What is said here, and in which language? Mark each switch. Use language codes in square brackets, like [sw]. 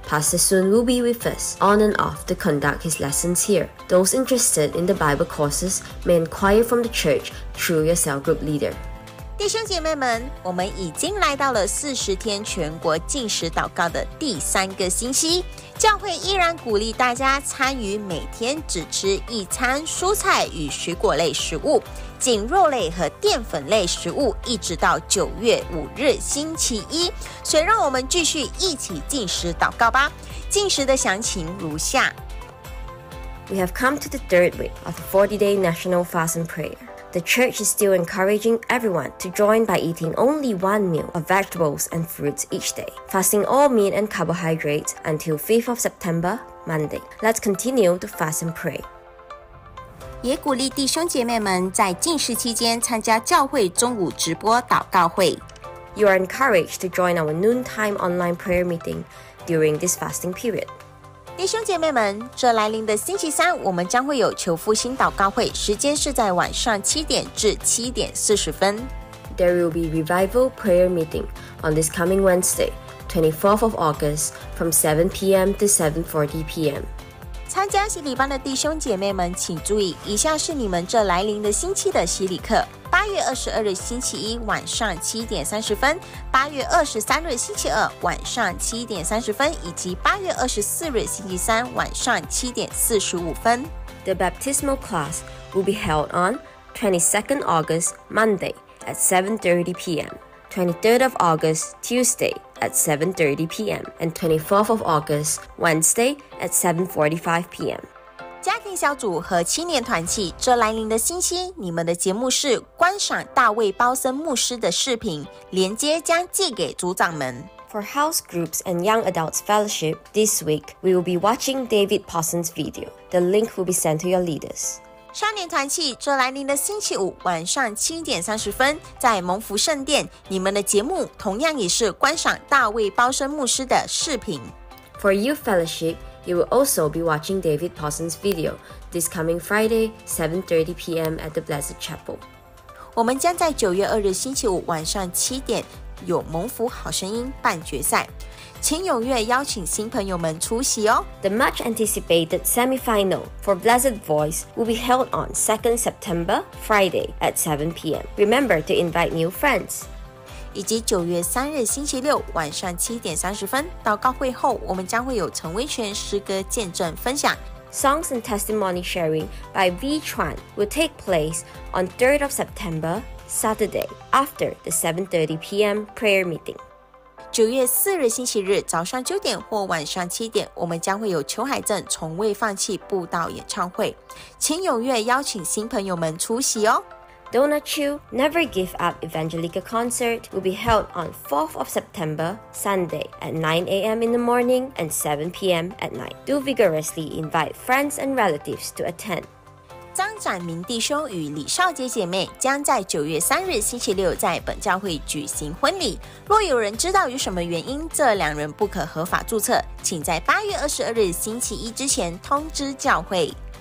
[en] Pastor Sun will be with us on and off to conduct his lessons here. Those interested in the Bible courses may inquire from the church through your cell group leader. [zh] 弟兄姐妹们，我们已经来到了40天全国禁食祷告的第三个星期。教会依然鼓励大家参与每天只吃一餐蔬菜与水果类食物，仅肉类和淀粉类食物，一直到9月5日星期一。所以让我们继续一起禁食祷告吧。禁食的详情如下。 [en] We have come to the third week of the 40-day national fast and prayer. The church is still encouraging everyone to join by eating only one meal of vegetables and fruits each day, fasting all meat and carbohydrates until 5th of September, Monday. Let's continue to fast and pray. [zh] 也鼓励弟兄姐妹们在禁食期间参加教会中午直播祷告会。 [en] You are encouraged to join our noontime online prayer meeting during this fasting period. [zh] 弟兄姐妹们，这来临的星期三，我们将会有求复兴祷告会，时间是在晚上7:00 to 7:40. [en] There will be revival prayer meeting on this coming Wednesday, 24th of August, from 7 p.m. to 7:40 p.m. [zh] 参加洗礼班的弟兄姐妹们请注意，以下是你们这来临的星期的洗礼课。 8月22日星期一晚上7:30，8月23日星期二晚上7:30，以及8月24日星期三晚上7:45。 [en] The baptismal class will be held on 22nd August, Monday at 7:30 p.m. 23rd of August, Tuesday. At 7:30 p.m. and 24th of August, Wednesday at 7:45 p.m. [zh] 家庭小组和青年团契，这来临的星期，你们的节目是观赏大卫包森牧师的视频，连接将寄给组长们。 [en] For house groups and young adults fellowship, this week we will be watching David Parsons' video. The link will be sent to your leaders. [zh] 少年团契，这来临的星期五晚上7:30，在蒙福圣殿，你们的节目同样也是观赏大卫包森牧师的视频。 [en] For youth fellowship, you will also be watching David Parsons' video this coming Friday, 7:30 p.m. at the Blessed Chapel. [zh] 我们将在9月2日星期五晚上7:00有蒙福好声音半决赛。请踊跃邀请新朋友们出席哦。 [en] The much anticipated semi-final for Blessed Voice will be held on 2nd September, Friday at 7 p.m. Remember to invite new friends. [zh] 以及9月3日星期六晚上7:30，祷告会后我们将会有陈威权诗歌见证分享。 [en] Songs and testimony sharing by V. Chuan will take place on 3rd of September, Saturday, after the 7:30 p.m. prayer meeting. [zh] 9月4日星期日早上9:00或晚上7:00，我们将会有邱海正从未放弃布道演唱会，请踊跃邀请新朋友们出席哦。 [en] Donut Chew Never Give Up Evangelica Concert will be held on 4th of September, Sunday at 9 a.m. in the morning and 7 p.m. at night. Do vigorously invite friends and relatives to attend. [zh] 张展明弟兄与李少杰姐妹将在9月3日星期六在本教会举行婚礼。若有人知道有什么原因这两人不可合法注册，请在8月22日星期一之前通知教会。